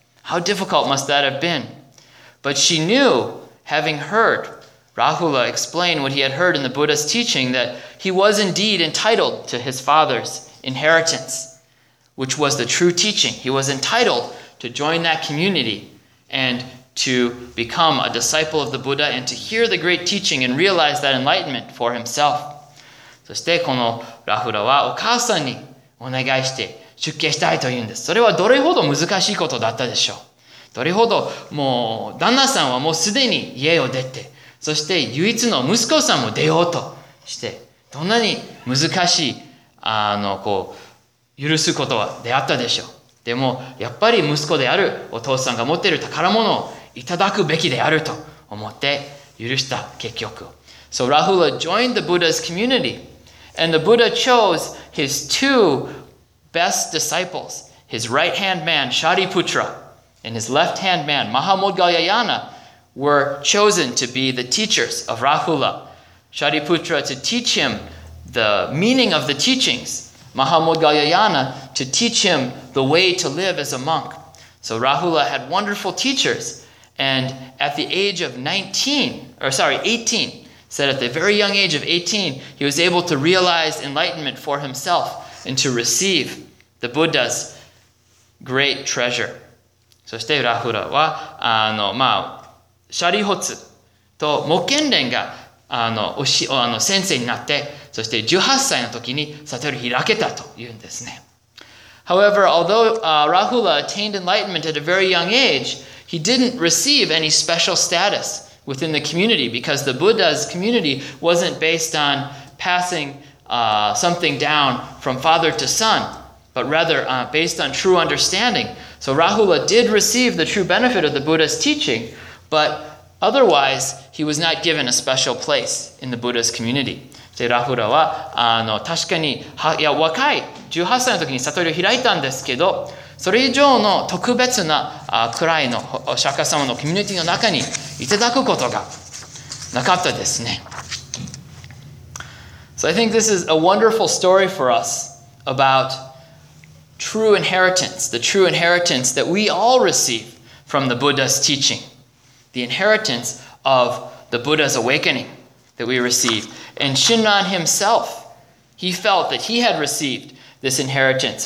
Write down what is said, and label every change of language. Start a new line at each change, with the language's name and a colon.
English: How difficult must that have been? But she knew, having heard Rahula explain what he had heard in the Buddha's teaching, that he was indeed entitled to his father's inheritance, which was the true teaching. He was entitled to join that community and to become a disciple of the Buddha and to hear the great teaching and realize that enlightenment for himself.
Japanese: そしてこのラフラはお母さんにお願いして出家したいと言うんです。それはどれほど難しいことだったでしょう。どれほどもう旦那さんはもうすでに家を出て、そして唯一の息子さんも出ようとして、どんなに難しい、こう、許すことは出会ったでしょう。でも、やっぱり息子であるお父さんが持っている宝物をいただくべきであると思って許した結局。
English: So Rahula joined the Buddha's community. And the Buddha chose his two best disciples, his right-hand man, Shariputra, and his left-hand man, Mahamoggallayana, were chosen to be the teachers of Rahula. Shariputra to teach him the meaning of the teachings, Mahamoggallayana to teach him the way to live as a monk. So Rahula had wonderful teachers, and at the age of 18,said at the very young age of 18, he was able to realize enlightenment for himself and to receive the Buddha's great treasure.
Japanese: そしてラフラは、シャリホツとモケンレンが先生になって、そして18歳の時に悟り開けたというんですね。
English: However, although Rahula attained enlightenment at a very young age, he didn't receive any special status within the community because the Buddha's community wasn't based on passing something down from father to son, but rather based on true understanding. So Rahula did receive the true benefit of the Buddha's teaching, but otherwise he was not given a special place in the Buddha's community.
Japanese: でラフラは確かにはいや若い18歳の時に悟りを開いたんですけど、それ以上の特別なくらいのお釈迦様のコミュニティの中にいただくことがなかったですね。
English: So I think this is a wonderful story for us about true inheritance, the true inheritance that we all receive from the Buddha's teaching, the inheritance of the Buddha's awakening. That we receive. And Shinran himself, he felt that he had received this inheritance.